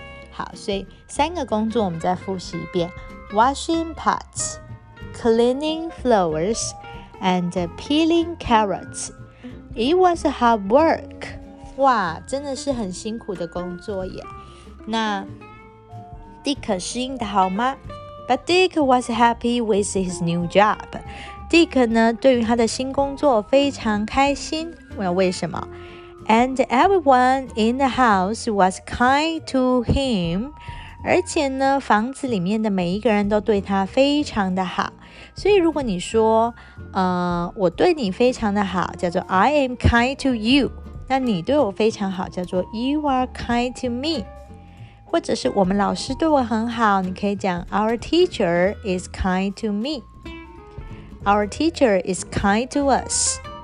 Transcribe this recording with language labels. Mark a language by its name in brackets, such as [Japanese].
[Chinese] 好，所以三个工作我们再复习一遍 [English] Washing pots Cleaning floorsAnd peeling carrots. It was hard work. [Chinese] 哇，真的是很辛苦的工作耶。那 Dick 适应的好吗？ [English] But Dick was happy with his new job. [Chinese] Dick 呢，对于他的新工作非常开心。为什么？ [English] And everyone in the house was kind to him. [Chinese] 而且呢，房子里面的每一个人都对他非常的好。所以如果你说我对你非常的好叫做 [English] I am kind to you， [Chinese] 那你对我非常好叫做 [English] You are kind to me， [Chinese] 或者是我们老师对我很好，你可以讲 [English] Our teacher is kind to me， Our teacher is kind to us。